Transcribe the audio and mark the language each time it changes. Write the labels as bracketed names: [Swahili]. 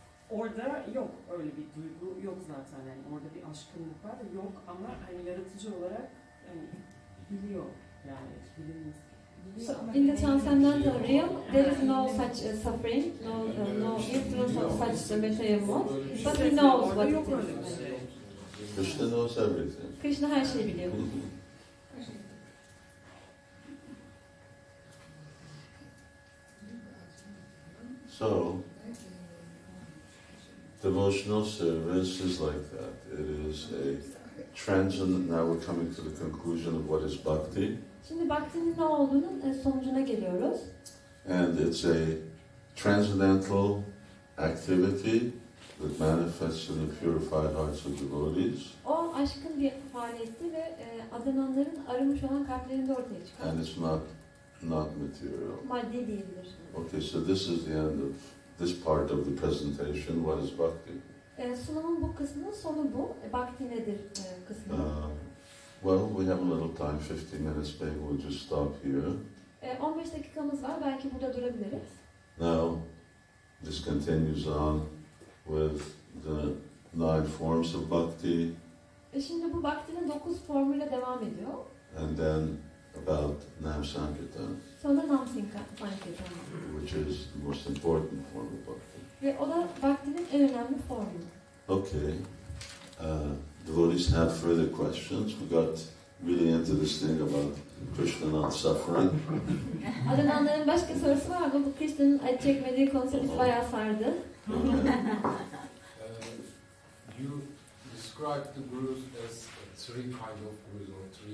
[Turkish] Orada yok öyle bir duygu yok zaten yani orada bir aşkınlık var yok ama hani yaratıcı olarak hani biliyor yani bilinmez. [English] So in the transcendental realm, there is no such suffering, no influence of such metaphysical, but he knows what it is. Krishna knows everything. [Turkish] Krishna her şeyi biliyor. [English] So devotional service is like that. It is a transcendent. Now we're coming to the conclusion of what is bhakti. [Turkish] Şimdi bhakti'nin ne olduğunun sonucuna geliyoruz. [English] And it's a transcendental activity that manifests in the purified hearts of devotees. [Turkish] O aşkın bir faaliyeti ve adananların arınmış olan kalplerinde ortaya çıkıyor. [English] And it's not material. [Turkish] Maddi değildir. [English] Okay, so this is the end of this part of the presentation, what is bhakti? [Turkish] Sunumun bu kısmının sonu bu. Bhakti nedir kısmı? [English] Well, we have a little time, 15 minutes, maybe we'll just stop here. [Turkish] 15 dakikamız var, belki burada durabiliriz. [English] Now, this continues on with the 9 forms of bhakti. [Turkish] Şimdi bu bhakti'nin 9 formuyla devam ediyor. [English] And then about Nam Sankirtan. [Turkish] Sonra Nam Sankirtan. [English] Which is the most important form of bhakti. [Turkish] Ve o da bhakti'nin en önemli formu. [English] Okay. Devotees have further questions. We got really into this thing about Krishna not suffering. [Turkish] Adananların başka sorusu var mı? Bu Krishna'nın acı çekmediği konusu biz bayağı sardı. [English] You describe the gurus as three kinds of gurus or